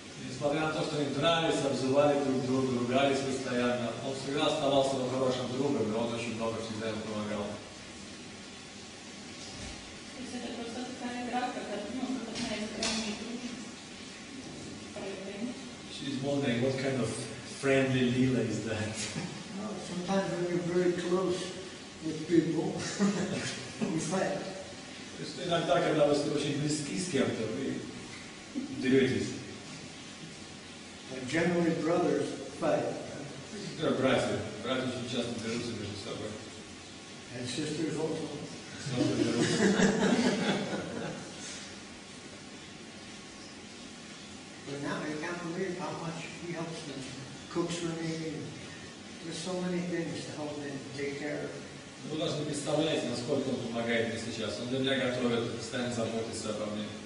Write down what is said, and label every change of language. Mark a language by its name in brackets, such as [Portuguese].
[Russian] Несмотря на то, что они дрались, обзывали друг друга, ругались постоянно, он всегда оставался хорошим другом, и он очень много всегда им помогал. То есть это просто такая игра, как одна из крайних других проявлений? [English] She's wondering, what kind of friendly lila is that? Sometimes when you're very close with people, you fight. [Russian] То есть иногда, когда вы очень близки с кем-то, вы деретесь. [English] And generally brothers fight. [Russian] Да, братья. Братья очень часто дерутся между собой. [English] And sisters also. But now I can't believe how much he helps me. Cooks for me. There's so many things to help me take care of. [Russian] Вы даже не представляете, насколько он помогает мне сейчас. Он для меня готовит, постоянно заботится обо мне.